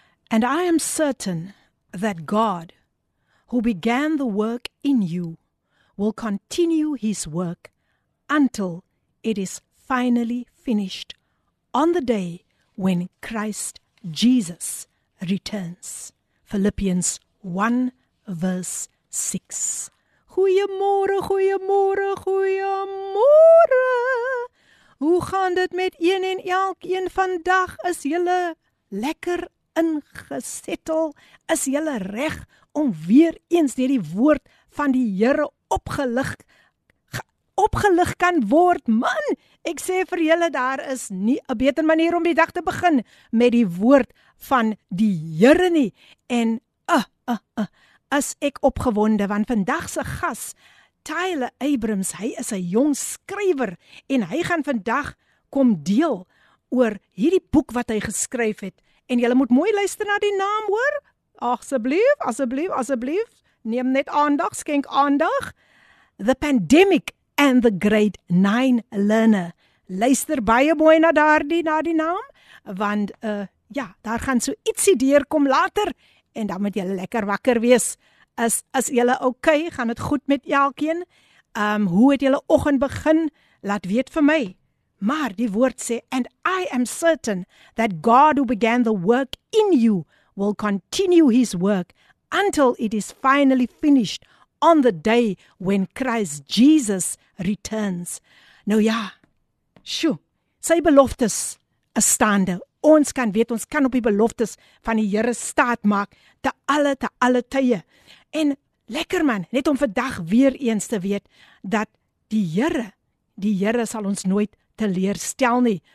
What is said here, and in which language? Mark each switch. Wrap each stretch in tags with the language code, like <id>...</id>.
<en>And I am certain that God, who began the work in you, will continue his work until it is finally finished on the day when Christ Jesus returns. Philippians 1 verse 6.</en> <af>Goeiemôre, goeiemôre, goeiemôre. Hoe gaan dit met een en elk een vandag? Is julle lekker ingesettel? Is julle reg om weer eens deur die woord van die Here opgelig kan word? Man, ek sê vir julle, daar is nie 'n beter manier om die dag te begin met die woord van die Here nie. En as ek opgewonde, want vandag se gas, Tyler Abrams, hy is 'n jong skrywer en hy gaan vandag kom deel oor hierdie boek wat hy geskryf het. En julle moet mooi luister na die naam, hoor. Asseblief. Neem net aandag, skenk aandag.</af> <en>The Pandemic and the Great Nine Learner.</en> <af>Luister baie mooi na die naam, want daar gaan so ietsie deur kom later. En dan moet julle lekker wakker wees. Is julle okay? Gaan dit goed met elkeen? Hoe het julle oggend begin? Laat weet vir my. Maar die woord sê,</af> <en>and I am certain that God who began the work in you will continue his work until it is finally finished on the day when Christ Jesus returns.</en> <af>Nou ja, sjoe, sy beloftes is staande. Ons kan weet, ons kan op die beloftes van die Here staat maak te alle tye. En lekker man, net om vandag weer eens te weet dat die Here sal ons nooit teleerstel nie.</af>